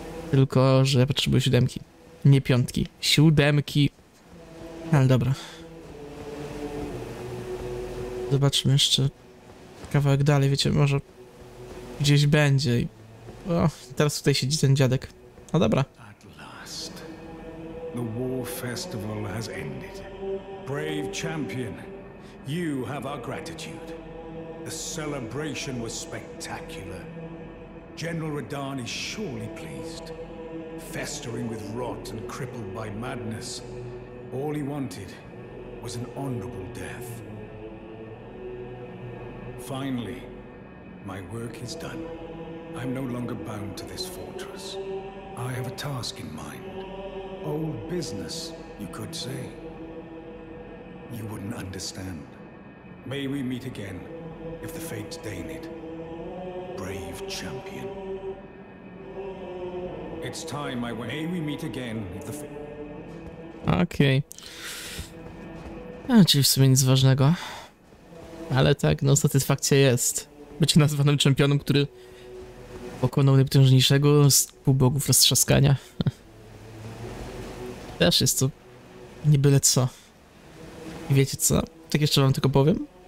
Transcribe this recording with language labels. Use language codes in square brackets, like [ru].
[pl] Tylko, że ja potrzebuję siódemki. Nie piątki. Siódemki. Ale dobra. Zobaczmy jeszcze kawałek dalej, wiecie, może gdzieś będzie. O, teraz tutaj siedzi ten dziadek. No dobra. [en] At last. The war festival has ended. Brave champion, you have our gratitude. The celebration was spectacular. General Radahn is surely pleased. Festering with rot and crippled by madness. All he wanted was an honorable death. Finally, my work is done. I'm no longer bound to this fortress. I have a task in mind. Old business, you could say. You wouldn't understand. May we meet again, if the fates deign it. Brave champion. It's time I went. May we meet again, if the fates... Okej. Okay. [pl] No, czyli w sumie nic ważnego. Ale tak, no satysfakcja jest. Być nazwanym czempionem, który pokonał najpotężniejszego z półbogów roztrzaskania. Też jest to nie byle co. I wiecie co? Tak jeszcze wam tylko powiem.